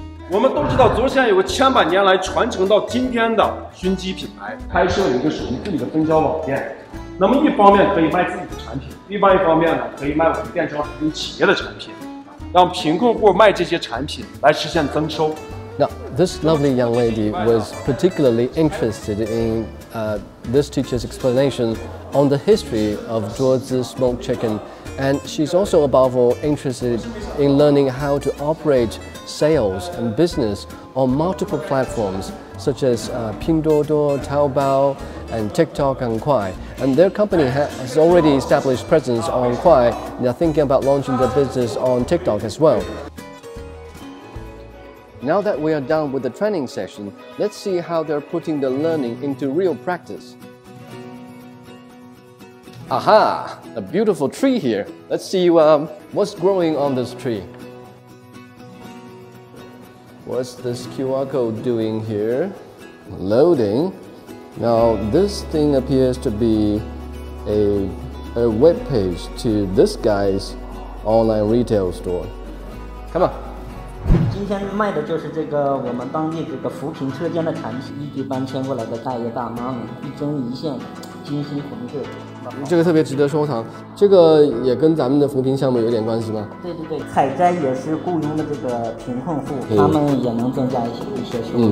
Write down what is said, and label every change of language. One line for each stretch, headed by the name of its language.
Chinese: 我们都知道，酒香有个千百年来传承到今天的熏鸡品牌，开设有一个属于自己的分销网店。那么一方面可以卖自己的产品，另外一方面呢，可以卖我们电商产品企业的产品，让贫困户卖这些产品来实现增收。
English: Now, this lovely young lady was particularly interested in this teacher's explanation on the history of Zhuozi smoked chicken, and she's also above all interested in learning how to operate. Sales and business on multiple platforms such as Pinduoduo, Taobao, and TikTok and Kuai. And their company has already established presence on Kuai. They're thinking about launching their business on TikTok as well. Now that we are done with the training session, let's see how they're putting the learning into real practice. Aha! A beautiful tree here. Let's see what's growing on this tree. What's this QR code doing here? Loading. Now, this thing appears to be a web page to this guy's online retail store. Come on.
Chinese: 今天卖的就是这个我们当地这个扶贫车间的产品，一举搬迁过来的大爷大妈们，一针一线，精心缝制。这个特别值得收藏，这个也跟咱们的扶贫项目有点关系吗？对对对，采摘也是雇佣的这个贫困户，他们也能增加一些收入。